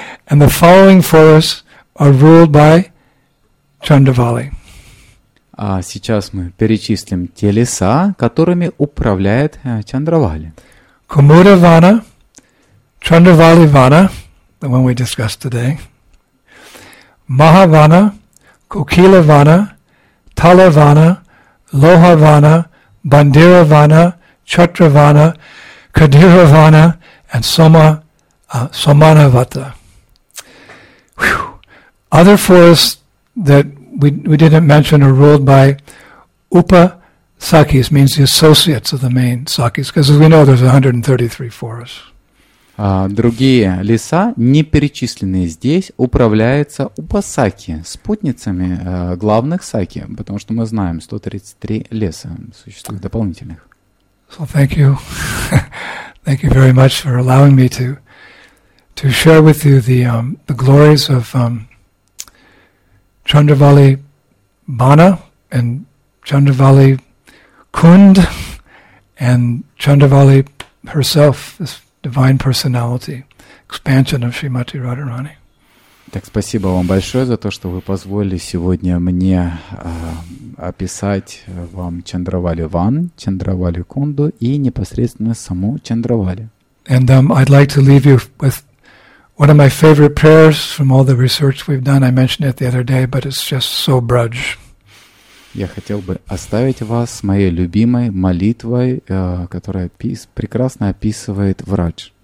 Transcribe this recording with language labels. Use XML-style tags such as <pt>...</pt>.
<en>And the following forests are ruled by Chandavali.</en> <ru>А сейчас мы перечислим те леса, которыми управляет Чандравали.</ru> <en>Kumuda Vana, Chandravali Vana, the one we discussed today, Mahavana, Kokila Vana, Talavana, Lohavana, Bandiravana, Chatravana, Kadiravana, and Somanavata. Other forests that we didn't mention are ruled by Upa Sakis, means the associates of the main Sakis, because as we know, there's 133 forests.</en> <ru>Другие леса, не перечисленные здесь, управляются Упасаки, спутницами главных Саки, потому что мы знаем, 133 леса существует дополнительных.</ru> <en>So thank you. Thank you very much for allowing me to share with you the glories of Chandravali Bana and Chandravali Kund and Chandravali herself, this divine personality, expansion of Srimati Radharani.</en> <ru>Так, спасибо вам большое за то, что вы позволили сегодня мне описать вам Чандравали Ван, Чандравали Кунду и непосредственно саму Чандравали.</ru> <en>And I'd like to leave you with one of my favorite prayers from all the research we've done. I mentioned it the other day, but it's just so Braj.</en> <ru>Я хотел бы оставить вас с моей любимой молитвой, которая прекрасно описывает врач.</ru>